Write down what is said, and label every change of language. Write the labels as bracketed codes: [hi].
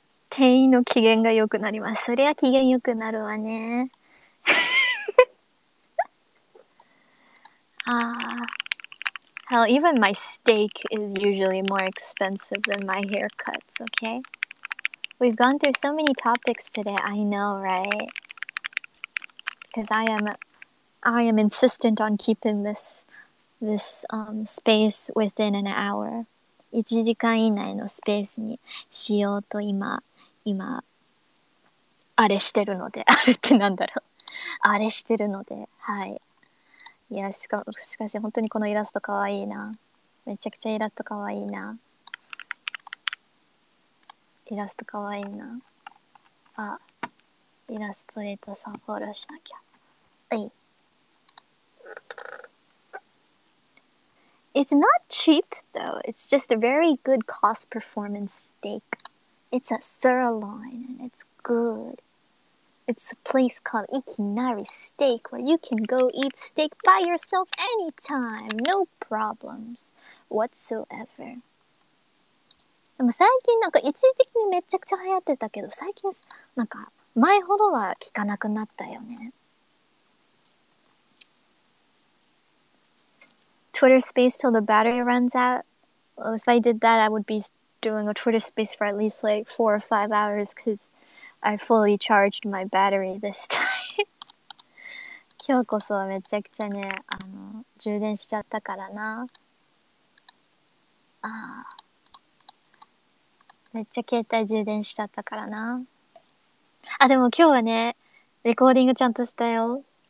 [ja] 店員の機嫌が良くなります。そりゃ機嫌良くなるわね。 [en] Hell, even my steak is usually more expensive than my haircuts, okay? We've gone through so many topics today, I know, right? Because I am insistent on keeping this space within an hour. [ja] 1時間以内のスペースにしようと今あれしてるので、あれってなんだろう、あれしてるので、はい。いや、しかし本当にこのイラストかわいいな。めちゃくちゃイラストかわいいな。イラストかわいいな。あ、イラストレートさんフォローしなきゃ。はい。 [en] It's not cheap though. It's just a very good cost performance steak. It's a sirloin and it's good. It's a place called Ikinari Steak where you can go eat steak by yourself anytime. No problems whatsoever. [ja] でも最近なんか一時的にめちゃくちゃ流行ってたけど、最近なんか前ほどは聞かなくなったよね。 [en] Twitter space till the battery runs out. Well, if I did that, I would be doing a Twitter space for at least like 4 or 5 hours because I fully charged my battery this time. [ja] 今日こそはめちゃくちゃね、充電しちゃったからな。あ、めっちゃ携帯充電しちゃったからな。あ、でも今日はね、レコーディングちゃんとしたよ。